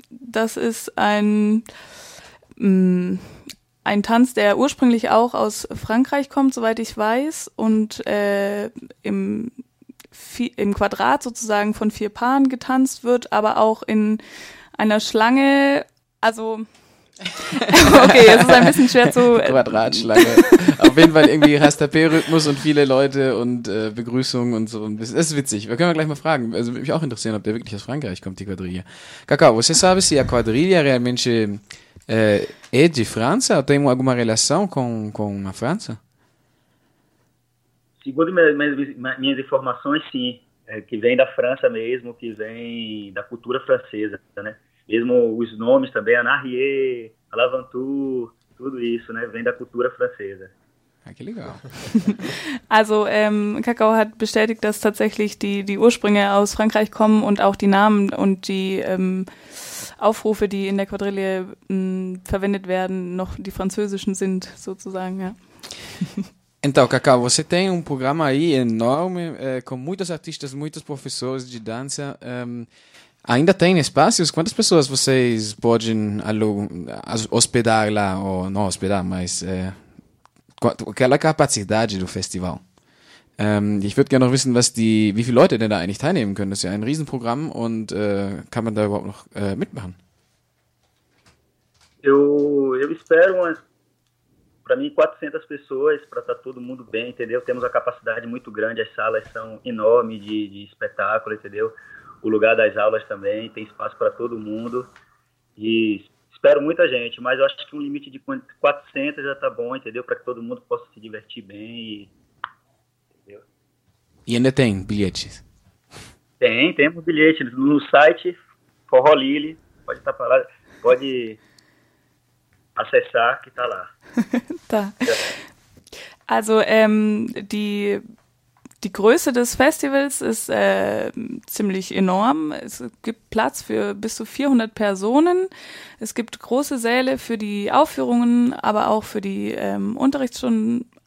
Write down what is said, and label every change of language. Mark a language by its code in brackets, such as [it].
[de] Das ist ein Tanz, der ursprünglich auch aus Frankreich kommt, soweit ich weiß, und im Quadrat sozusagen von vier Paaren getanzt wird, aber auch in einer Schlange. Also, okay, es ist ein bisschen schwer zu. Quadratschlange. Auf jeden Fall irgendwie Rastapé-Rhythmus und viele Leute und Begrüßungen und so. Das ist witzig. Wir können gleich mal fragen. Also würde mich auch interessieren, ob der wirklich aus Frankreich kommt, die Quadrille. [pt] Kakao, você sabe se a quadrilha realmente é de França ou tem alguma relação com a França? Segundo minhas informações, sim. É, que vem da França mesmo, que vem da cultura francesa, né? Mesmo os nomes também, Anarie, Alavantu, tudo isso, né? Vem da cultura francesa. Ah, que legal. [de] Also, Kakao hat bestätigt, dass tatsächlich die Ursprünge aus Frankreich kommen und auch die Namen und die Aufrufe, die in der Quadrille verwendet werden, noch die französischen sind, sozusagen, [pt] Então, Cacau, você tem um programa aí enorme, com muitos artistas, muitos professores de dança. Ainda tem espaços? Quantas pessoas vocês podem hospedar lá? Ou não hospedar, mas aquela capacidade do festival? [de] Ich würde gerne noch wissen, wie viele Leute denn da eigentlich teilnehmen können. Das ist ja ein Riesenprogramm und kann man da überhaupt noch mitmachen? [pt] Eu espero para mim 400 pessoas, para estar todo mundo bem, entendeu? Temos a capacidade muito grande, as salas são enormes de espetáculo, entendeu? O lugar das aulas também tem espaço para todo mundo e espero muita gente, mas eu acho que um limite de 400 já tá bom, entendeu? Para que todo mundo possa se divertir bem e. E ainda tem bilhetes. Temos bilhetes no site, Forró Lili, pode estar para lá, pode acessar que está lá. Tá. [de] Also die Größe des Festivals ist ziemlich enorm. Es gibt Platz für bis zu 400 Personen. Es gibt große Säle für die Aufführungen, aber auch für die Unterrichtsstunden.